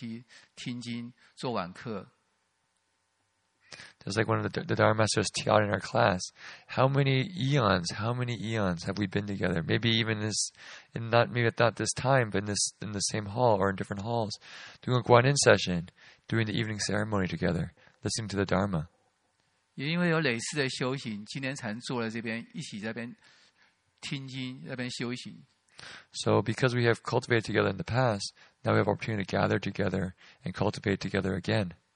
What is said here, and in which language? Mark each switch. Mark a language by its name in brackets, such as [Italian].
[Chinese] 也不要像我们法师上课所说的，今晚在听经的大众，我们不知道多少劫以前，也决定在不同的时间，可是在同样的佛殿里面共同坐在这边拜观音期听经做晚课。 [English] Just like one of the Dharma Masters taught in our class, how many eons have we been together? Maybe even this, not this time, but in the same hall or in different halls, doing a Guanyin session, doing the evening ceremony together, listening to the Dharma. [Chinese] 也因为有类似的修行，今年才坐在这边，一起在边听经，在边修行。 [English] So because we have cultivated together in the past, now we have opportunity to gather together and cultivate together again.